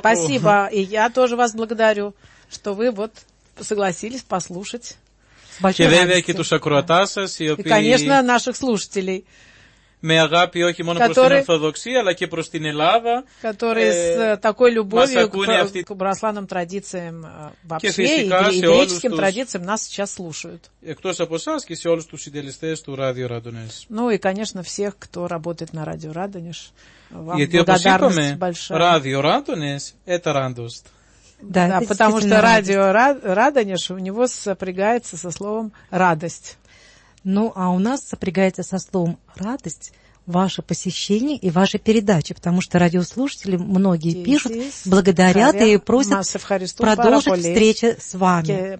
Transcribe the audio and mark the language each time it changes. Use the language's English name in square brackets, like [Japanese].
[Russian] Спасибо, и я тоже вас благодарю, что вы вот согласились послушать. [Greek] Και βέβαια και τους ακροατάς σας, οι οποίοι... [Russian] И, конечно, наших слушателей. [Greek] Με αγάπη όχι μόνο προς την Ορθοδοξία, αλλά και προς την Ελλάδα. [Russian] Которые с такой любовью к православным традициям вообще и греческим традициям нас сейчас слушают. [Greek] Εκτός από εσάς και σε όλους τους συντελεστές του Radio Radonezh. [Russian] Ну и, конечно, всех, кто работает на Radio Radonezh. [Greek] Γιατί, όπως είπαμε, Radio Radonezh – [Russian] это радость. Да, да, потому что радио Радонеж у него сопрягается со словом «радость». Ну, а у нас сопрягается со словом «радость» ваше посещение и ваша передача, потому что радиослушатели многие здесь пишут, благодарят и просят продолжить встречу с вами.